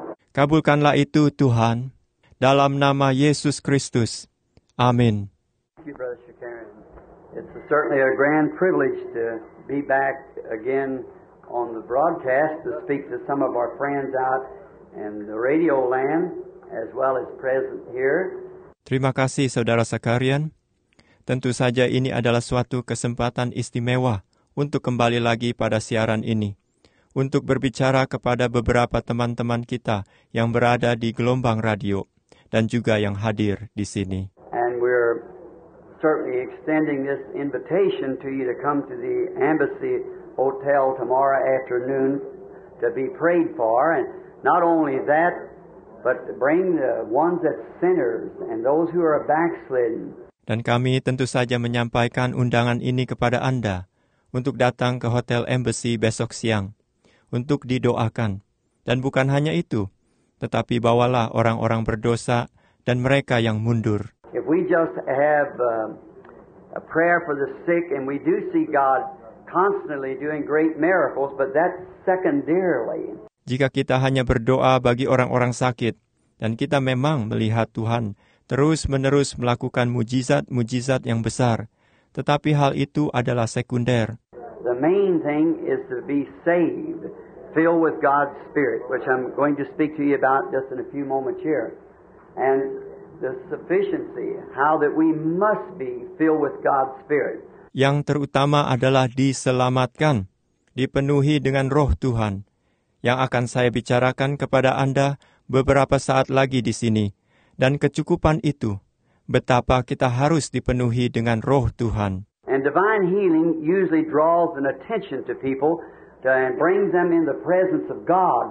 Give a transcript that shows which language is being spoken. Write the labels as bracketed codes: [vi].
[id] Kabulkanlah itu, Tuhan, dalam nama Yesus Kristus. Amin. [en] Thank you, Brother Shakarian. It's certainly a grand privilege to be back again on the broadcast to speak to some of our friends out in the radio land, as well as present here. [id] Terima kasih, Saudara Sakarian. Tentu saja ini adalah suatu kesempatan istimewa untuk kembali lagi pada siaran ini, untuk berbicara kepada beberapa teman-teman kita yang berada di gelombang radio dan juga yang hadir di sini. [en] And we're certainly extending this invitation to you to come to the Embassy Hotel tomorrow afternoon to be prayed for. And not only that, but to bring the ones that sinners and those who are backslidden. [id] Dan kami tentu saja menyampaikan undangan ini kepada Anda untuk datang ke Hotel Embassy besok siang untuk didoakan. Dan bukan hanya itu, tetapi bawalah orang-orang berdosa dan mereka yang mundur. [en] If we just have a prayer for the sick and we do see God constantly doing great miracles, but that's secondarily. [id] Jika kita hanya berdoa bagi orang-orang sakit dan kita memang melihat Tuhan terus-menerus melakukan mujizat-mujizat yang besar, tetapi hal itu adalah sekunder. [en] The main thing is to be saved, filled with God's Spirit, which I'm going to speak to you about just in a few moments here. And the sufficiency, how that we must be filled with God's Spirit. [id] Yang terutama adalah diselamatkan, dipenuhi dengan Roh Tuhan, yang akan saya bicarakan kepada Anda beberapa saat lagi di sini. Dan kecukupan itu, betapa kita harus dipenuhi dengan Roh Tuhan. [en] And divine healing usually draws an attention to people and brings them in the presence of God.